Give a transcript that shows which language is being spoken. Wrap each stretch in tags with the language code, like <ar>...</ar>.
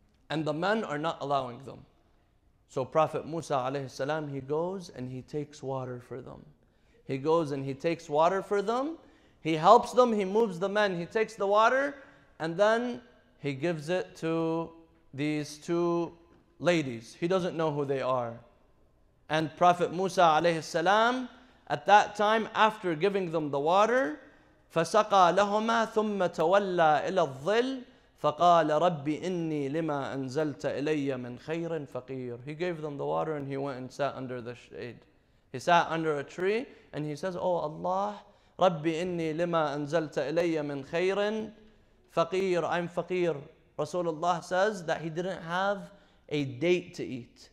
<en>And the men are not allowing them. So Prophet Musa alayhi salam, he goes and he takes water for them. He goes and he takes water for them. He helps them, he moves the men, he takes the water, and then he gives it to these two ladies. He doesn't know who they are. And Prophet Musa alayhi salam, at that time, after giving them the water,</en> <ar>فَسَقَى لَهُمَا ثُمَّ تَوَلَّى إِلَى الظِّلِّ فَقَالَ رَبِّ إِنِّي لِمَا أَنزَلْتَ إِلَيَّ مِنْ خَيْرٍ فَقِيرٍ.</ar> <en>He gave them the water and he went and sat under the shade. He sat under a tree and he says, oh Allah,</en> <ar>رَبِّ إِنِّي لِمَا أَنزَلْتَ إِلَيَّ مِنْ خَيْرٍ فَقِيرٍ.</ar> <en>I'm faqir. Rasulullah says that he didn't have a date to eat.</en>